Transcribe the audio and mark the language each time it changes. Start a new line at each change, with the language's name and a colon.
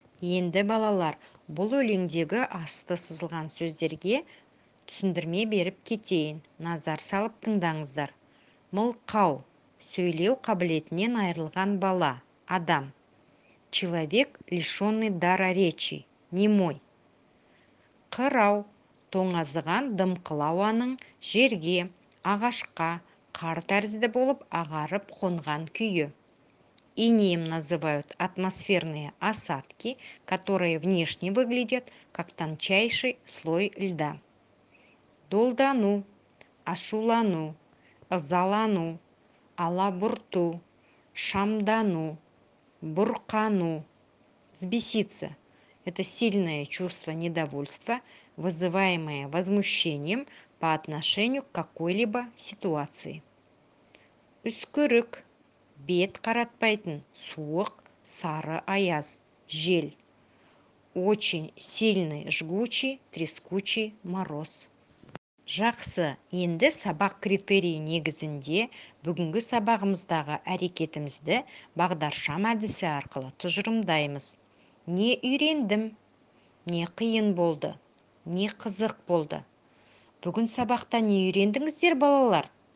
Kazakh: Енді балалар, бұл өлеңдегі асты сызылған сөздерге түсіндірме беріп кетейін. Назар салып тыңдаңыздар. Мылқау – сөйлеу қабілетінен айрылған бала, адам.
Russian: Человек, лишенный дара речи, немой.
Kazakh: Қырау – тоңазыған дымқылауаның жерге, ағашқа, қар тәрізді болып ағарып қонған күйі.
Russian: Инеем называют атмосферные осадки, которые внешне выглядят как тончайший слой льда.
Kazakh: Долдану, ашулану, залану, алабурту, шамдану, буркану.
Russian: Взбеситься – это сильное чувство недовольства, вызываемое возмущением по отношению к какой-либо ситуации.
Kazakh: Үскүрік – бет қаратпайтын суық, сары аяз, жел.
Russian: Очень сильный, жгучий, трескучий мороз.
Kazakh: Жақсы, енді сабақ критерии негізінде бүгінгі сабағымыздағы әрекетімізді бағдаршам әдісі арқылы тұжырымдаймыз. Не үйрендім? Не қиын болды? Не қызық болды? Бүгін сабақта не үйрендіңіздер, балалар?